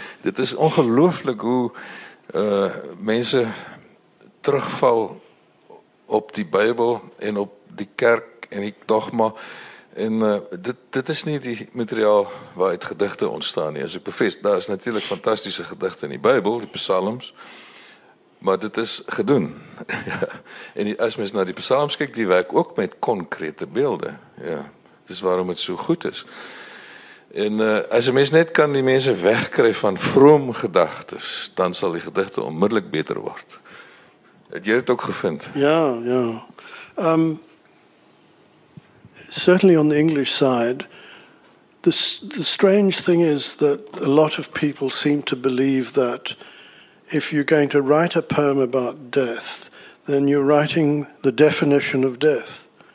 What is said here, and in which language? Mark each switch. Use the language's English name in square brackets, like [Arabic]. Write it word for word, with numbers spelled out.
[Afrikaans] Dit is ongelooflik hoe uh, mense terugval op die Bybel en op die kerk en die dogma. En uh, dit, dit is nie die materiaal waaruit gedigte ontstaan nie. As ek bevestig, daar is natuurlik fantastiese gedigte in die Bybel, die psalms, maar dit is gedoen. En die, as mens na die psalms kyk, die werk ook met konkrete beelde. Ja, dis waarom het so goed is. En uh, as 'n mens net kan die mense wegkry van vroom gedagtes, dan sal die gedigte onmiddellik beter word. Het jy dit ook gevind? Ja, ja. [English] Um, Certainly on the English side, the, the strange thing is that a lot of people seem to believe that if you're going to write a poem about death, then you're writing the definition of death.